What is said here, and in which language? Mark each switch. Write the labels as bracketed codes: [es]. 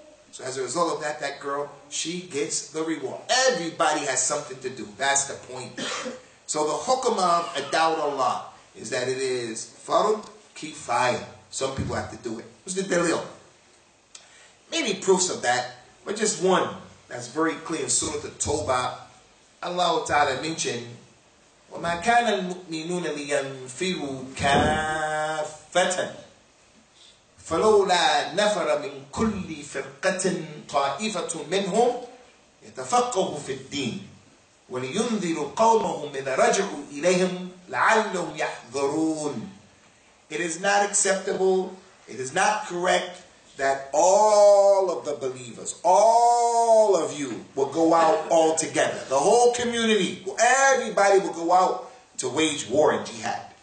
[en] So as a result of that, that girl, she gets the reward. Everybody has something to do. That's the point. So the hukum of a dawah to Allah is that it is fard kifaya. Some people have to do it. What's the delil? Many proofs of that, but just one that's very clear in Surah At-Tawbah. Allah Ta'ala mentioned, [ar] وَمَا كَانَ الْمُؤْمِنُونَ لِيَنْفِرُوا كَافَّةً فَلَوْلَا نَفَرَ مِنْ كُلِّ فِرْقَةٍ طَائِفَةٌ مِّنْهُمْ يَتَفَقَّهُ فِي الدِّينِ وَلِيُنْذِرُ قَوْمَهُمْ إِذَا رَجْعُوا إِلَيْهِمْ لَعَلَّهُمْ يَحْذَرُونَ [en] It is not acceptable, it is not correct that all of the believers, all of you will go out all together. The whole community, everybody will go out to wage war and jihad.